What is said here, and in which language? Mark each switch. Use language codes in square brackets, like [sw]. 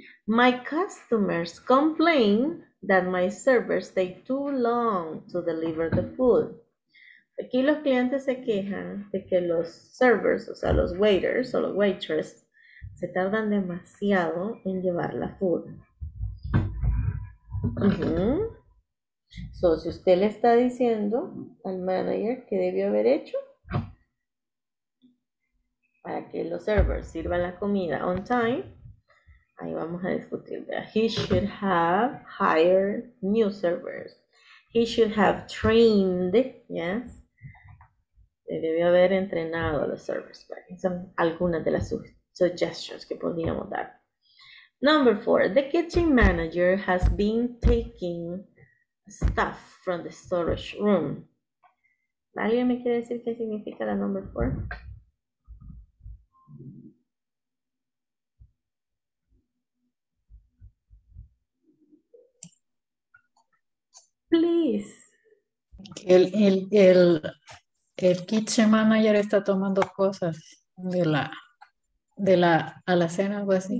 [en] My customers complain that my servers take too long to deliver the food. [es] Aquí los clientes se quejan de que los servers, o sea, los waiters o los waitresses, se tardan demasiado en llevar la food. So, si usted le está diciendo al manager qué debió haber hecho para que los servers sirvan la comida [en] on time, [es] ahí vamos a discutir. [en] He should have hired new servers. He should have trained, yes. [es] Debió haber entrenado a los servers. Son algunas de las suggestions que podríamos dar. [en] Number 4. The kitchen manager has been taking stuff from the storage room. [es] ¿Alguien me quiere decir qué significa la number 4? [en] Please. [es] El kitchen manager está tomando cosas de la alacena, o así.